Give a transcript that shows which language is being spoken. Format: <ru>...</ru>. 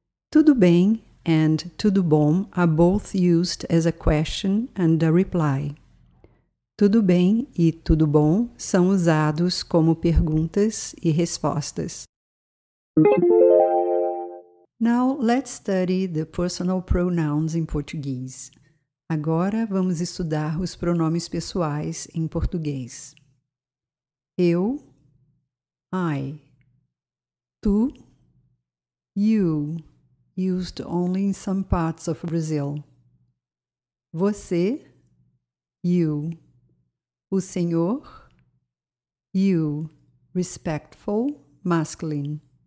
<en>Tudo bem and tudo bom are both used as a question and a reply.</en> <pt>Tudo bem e tudo bom são usados como perguntas e respostas.</pt> <en>Now let's study the personal pronouns in Portuguese.</en> <pt>Agora vamos estudar os pronomes pessoais em português. Eu, I.</pt> <en>Tu, you, used only in some parts of Brazil. Você, you.</en> <pt>O senhor,</pt> <en>you, respectful, masculine.</en>